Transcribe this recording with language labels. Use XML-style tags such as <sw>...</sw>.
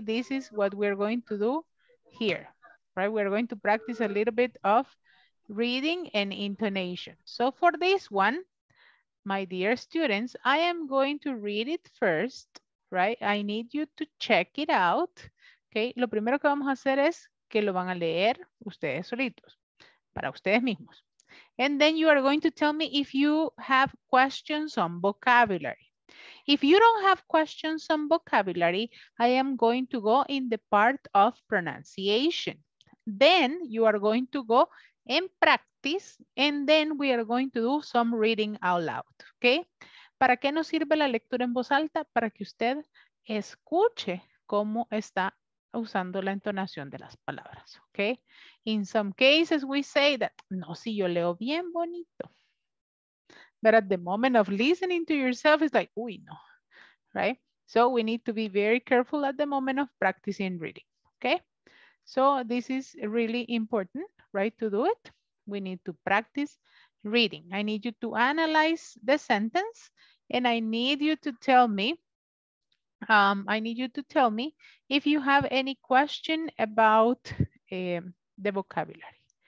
<en>This is what we're going to do here, right? We're going to practice a little bit of reading and intonation. So for this one, my dear students, I am going to read it first, right? I need you to check it out, okay?</en> <es>Lo primero que vamos a hacer es que lo van a leer ustedes solitos. Para ustedes mismos.</es> <en>And then you are going to tell me if you have questions on vocabulary. If you don't have questions on vocabulary, I am going to go in the part of pronunciation. Then you are going to go and practice, and then we are going to do some reading out loud, okay?</en> <es>¿Para qué nos sirve la lectura en voz alta? Para que usted escuche cómo está usando la entonación de las palabras, okay?</es> <en>In some cases we say that, no,</en> <es>si yo leo bien bonito.</es> <en>But at the moment of listening to yourself, it's like, uy, no, right? So we need to be very careful at the moment of practicing reading, okay? So this is really important, right, to do it. We need to practice reading. I need you to analyze the sentence, and I need you to tell me, if you have any question about the vocabulary.</en>